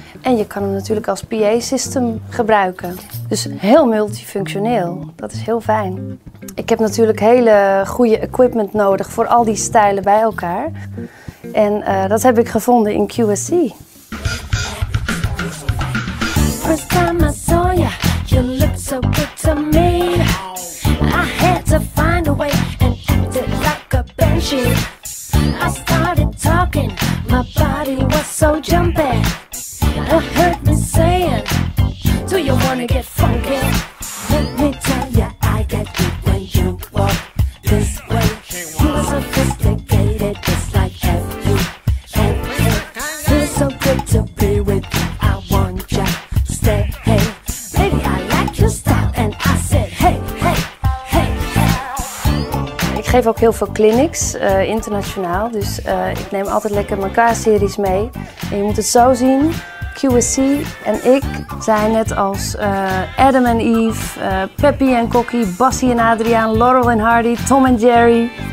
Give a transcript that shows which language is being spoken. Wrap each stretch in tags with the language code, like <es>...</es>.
<nl>En je kan hem natuurlijk als PA-system gebruiken. Dus heel multifunctioneel. Dat is heel fijn. Ik heb natuurlijk hele goede equipment nodig voor al die stijlen bij elkaar. En dat heb ik gevonden in QSC.</nl> <en>First time I saw ya, you looked so good to me. I had to find a way and acted like a banshee. I started talking, my body was so jumping. I heard me saying, do you wanna get funky? Let me tell ya, I get deep when you walk this way. You're sophisticated, just like everything. Feels so good to be with you, I want ya, stay. Hey, baby, I like your style, and I said, hey, hey, hey, hey.</en> <nl>Ik geef ook heel veel clinics, internationaal. Dus ik neem altijd lekker mijn K-series mee. En je moet het zo zien. QSC en ik zijn net als Adam en Eve, Peppy en Kokkie, Bassie en Adriaan, Laurel en Hardy, Tom en Jerry.</nl>